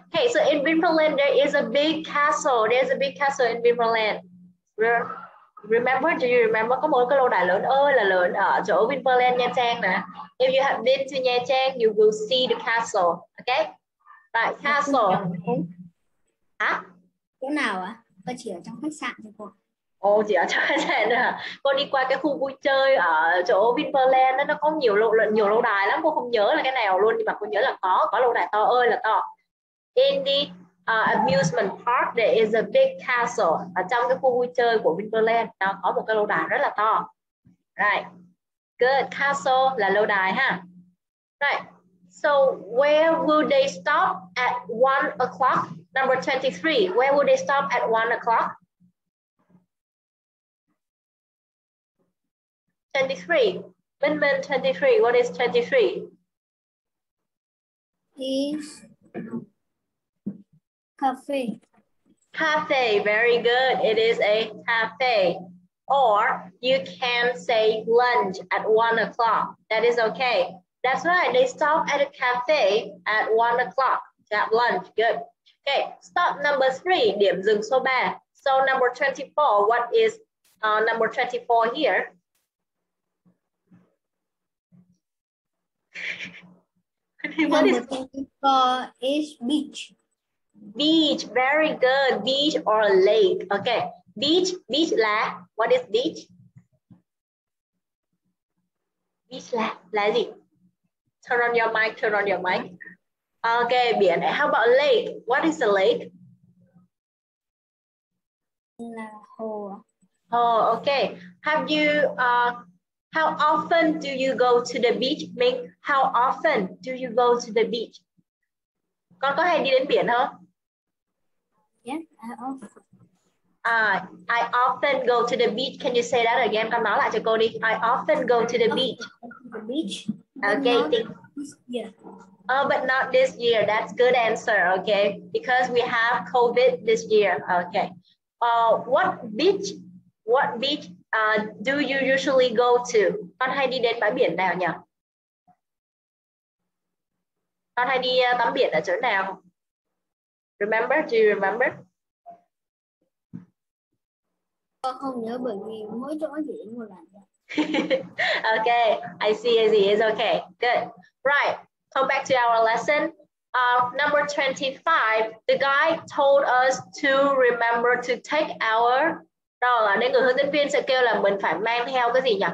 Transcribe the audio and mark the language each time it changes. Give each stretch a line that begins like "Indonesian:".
English: Hey, so in Vinpearland there is a big castle. There's a big castle in Vinpearland. Remember? Do you remember?
Vietnamese: Có một cái lâu đài lớn ơi là lớn ở chỗ Vinpearland Nha Trang nè.
English: If you have been to Nha Trang, you will see the castle. Okay? Right, castle. Hả?
Vietnamese: Chỗ nào ạ? Tôi chỉ ở trong khách sạn thôi cô. Ồ, chị ở trong khách sạn nữa. Con đi qua cái khu vui chơi ở chỗ Vinpearland đó, nó có nhiều lâu đài lắm. Cô không nhớ là cái nào luôn, nhưng mà cô nhớ là có lâu đài to ơi là to.
English: In the amusement park there is a big castle.
Vietnamese: Ở trong cái khu vui chơi của Vinpearland nó có một cái lâu đài rất là to.
English: Right. Good. Castle
Vietnamese: là lâu đài ha.
English: Right. So where will they stop at 1 o'clock? Number 23, where will they stop at 1 o'clock? 23, Min Min 23, what is 23? Is cafe. Cafe, very good. It is a cafe. Or you can say lunch at 1 o'clock. That is okay. That's right, they stop at a cafe at 1 o'clock to have lunch. Good. Okay, stop number three,
Vietnamese: điểm dừng số 3.
English: So number 24, what is number 24 here? What is 24 is beach. Beach, very good. Beach or lake. Okay, beach, beach là, what is beach?
Vietnamese: Beach là gì?
English: Turn on your mic, turn on your mic. Okay, biển. How about lake? What is the lake?
Vietnamese: Là hồ. Hồ, okay.
English: Have you, how often do you go to the beach? Mink, how often do you go to the beach?
Vietnamese: Con có hay đi đến biển không?
English: Yes, I often. I often go to the beach. Can you say that again?
Vietnamese: Con nói lại cho cô đi.
English: I often go to the beach. The beach. Okay. This year. Oh, but not this year. That's good answer. Okay, because we have COVID this year. Okay. What beach? Do you usually go to?
Vietnamese: Con hay đi đến bãi biển nào nhỉ? Con hay đi tắm biển ở chỗ nào?
English: Remember? Do you remember?
Vietnamese: Con không nhớ bởi vì mỗi chỗ chỉ đến một lần.
English: Okay, I see, it's okay, good. Right, come back to our lesson. Number 25, the guy told us to remember to take our...
Vietnamese: Đó là nên người hướng dẫn viên sẽ kêu là mình phải mang theo cái gì nhỉ?